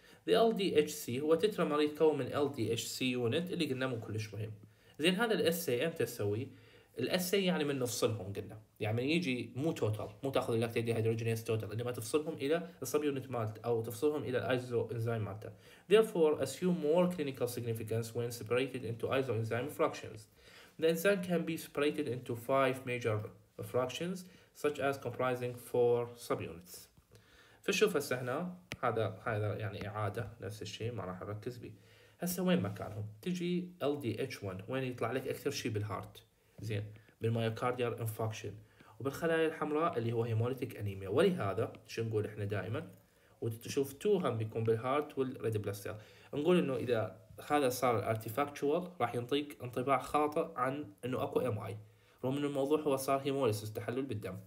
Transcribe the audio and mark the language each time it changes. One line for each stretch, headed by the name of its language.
Arabic: The LDHC هو تترمر يتكون من LDHC unit اللي قلنا مو كلش مهم. زين هذا ال SA امتى تسوي؟ ال SA يعني من نفصلهم قلنا، يعني من يجي مو total، مو تاخذ ال
English: lactate dehydrogenase total،
Arabic: انما تفصلهم الى subunit malt او تفصلهم الى isoenzyme malt.
English: Therefore assume more clinical significance when separated into isoenzyme fractions. The enzyme can be separated into five major fractions such as comprising four subunits.
Arabic: فشوف هسه هنا هذا يعني إعادة نفس الشيء ما راح أركز به. هسه وين مكانهم؟ تجي LDH1 وين يطلع لك أكثر شيء بالهارت، زين بالمايوكارديال انفاكشن وبالخلايا الحمراء اللي هو هيموليتك أنيميا، ولهذا شو نقول إحنا دائما وتشوف تو هم بيكون بالهارت والريد بلاست سيل، نقول إنه إذا هذا صار artifactual راح ينطيك انطباع خاطئ عن انه اكو MI، رغم ان الموضوع هو صار هيموليسيس تحلل بالدم.